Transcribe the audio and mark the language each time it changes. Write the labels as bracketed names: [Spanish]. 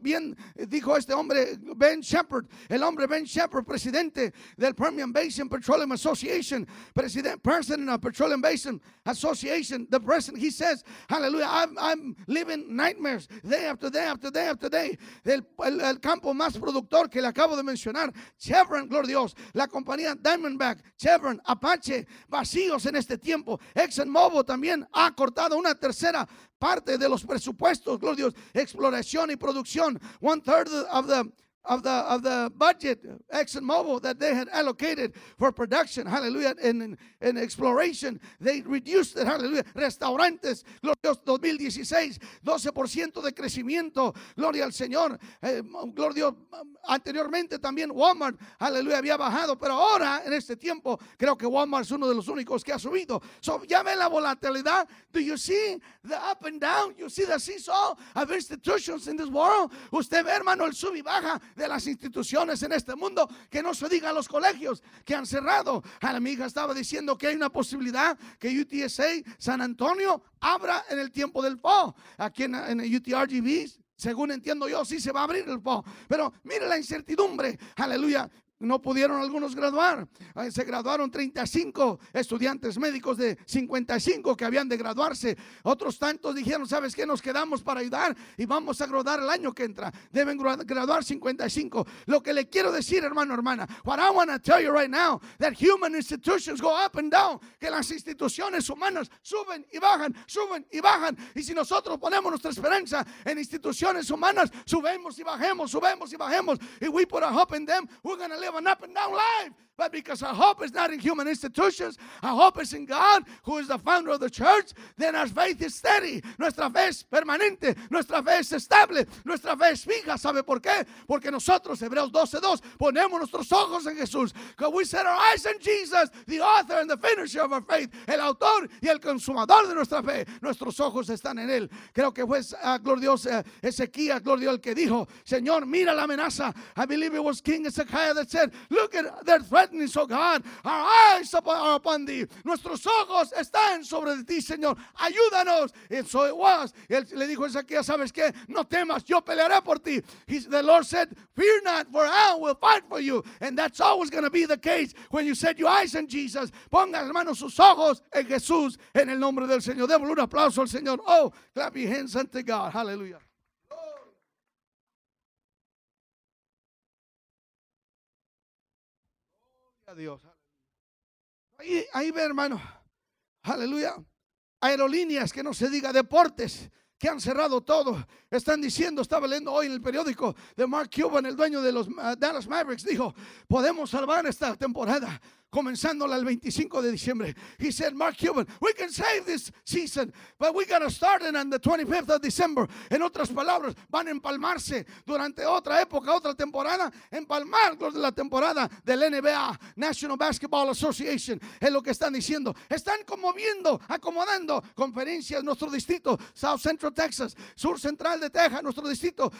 [Spanish] Bien dijo este hombre Ben Shepherd, presidente del Permian Basin Petroleum Association, [English] president of Petroleum Basin Association, the president, he says, hallelujah, I'm living nightmares day after day, [Spanish] el campo más productor que le acabo de mencionar, Chevron, gloria a Dios, la compañía Diamondback, Chevron, Apache, vacíos en este tiempo. ExxonMobil también ha cortado una tercera parte de los presupuestos, gloria a Dios, exploración y producción. [English] One third of the budget ExxonMobil that they had allocated for production, hallelujah, and exploration, they reduced it, hallelujah. [Spanish] Restaurantes, gloria a Dios, 2016, 12% de crecimiento, gloria al Señor, gloria a Dios. Anteriormente también Walmart, aleluya, había bajado, pero ahora en este tiempo creo que Walmart es uno de los únicos que ha subido. [English] So, [Spanish] ya ve la volatilidad. [English] Do you see the up and down? You see the seesaw of institutions in this world? [Spanish] Usted ve, hermano, el sub y baja de las instituciones en este mundo, que no se diga a los colegios que han cerrado. Ahora, mi hija estaba diciendo que hay una posibilidad que UTSA San Antonio abra en el tiempo del fall aquí en UTRGV. Según entiendo yo, sí se va a abrir el PO. Pero mire la incertidumbre. Aleluya. No pudieron algunos graduar. Se graduaron 35 estudiantes médicos de 55 que habían de graduarse. Otros tantos dijeron, ¿sabes qué? Nos quedamos para ayudar y vamos a graduar el año que entra. Deben graduar 55. Lo que le quiero decir, hermano, hermana, [English] what I want to tell you right now, that human institutions go up and down, [Spanish] que las instituciones humanas suben y bajan. Y si nosotros ponemos nuestra esperanza en instituciones humanas, subemos y bajemos. [English] If we put our hope in them, we're going to live an up and down life, but because our hope is not in human institutions, our hope is in God, who is the founder of the church, then our faith is steady. [Spanish] Nuestra fe es permanente, nuestra fe es estable, nuestra fe es fija. ¿Sabe por qué? Porque nosotros, Hebreos 12:2, ponemos nuestros ojos en Jesús. [English] Because we set our eyes on Jesus, the author and the finisher of our faith, [Spanish] el autor y el consumador de nuestra fe. Nuestros ojos están en Él. Creo que fue glorioso Ezequías, glorioso, el que dijo, Señor, mira la amenaza. [English] I believe it was King Ezekiah that said, look at their threatening, so God, our eyes are upon thee. [Spanish] Nuestros ojos están sobre ti, Señor. Ayúdanos. [English] And so it was. [Spanish] Él le dijo a Ezequiel, ¿sabes qué? No temas, yo pelearé por ti. [English] The Lord said, fear not, for I will fight for you. And that's always going to be the case when you set your eyes on Jesus. [Spanish] Ponga, hermano, sus ojos en Jesús, en el nombre del Señor. Démosle un aplauso al Señor. [English] Oh, clap your hands unto God. Hallelujah. [Spanish] Dios. Ahí ve, hermano, aleluya, aerolíneas, que no se diga, deportes, que han cerrado todo. Están diciendo, estaba leyendo hoy en el periódico de Mark Cuban, el dueño de los Dallas Mavericks, dijo, podemos salvar esta temporada comenzándola el 25 de diciembre. [English] He said, Mark Cuban, we can save this season, but we gotta start it on the 25th of December. [Spanish] En otras palabras, van a empalmarse durante otra época, otra temporada, empalmar la temporada del NBA, National Basketball Association, es lo que están diciendo. Están conmoviendo, acomodando conferencias en nuestro distrito, South Central Texas, Sur Central de Texas, nuestro distrito.